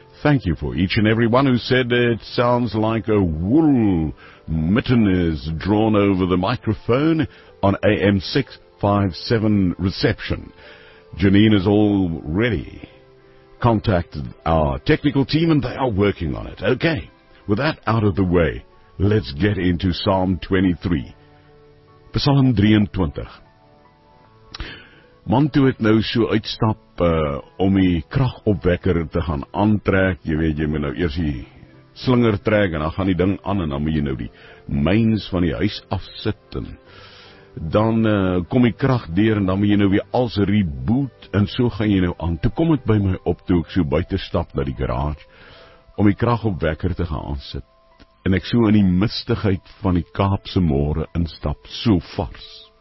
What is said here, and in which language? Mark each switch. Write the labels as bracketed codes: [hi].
[en] Thank you for each and every one who said it sounds like a wool mitten is drawn over the microphone on AM 657 reception. Janine has already contacted our technical team and they are working on it. Okay, with that out of the way, let's get into Psalm 23. Psalm 23. [af] Man toe het nou so uitstap om die kragopwekker te gaan aantrek. Jy weet, jy moet nou eers die slinger trek en dan gaan die ding aan en dan moet jy nou die mains van die huis afsit en dan kom die krag deur en dan moet jy nou weer als reboot en so gaan jy nou aan. Toe kom het by my op toe ek so buite stap na die garage om die kragopwekker te gaan aansit en ek so in die mistigheid van die Kaapse môre instap, so vars.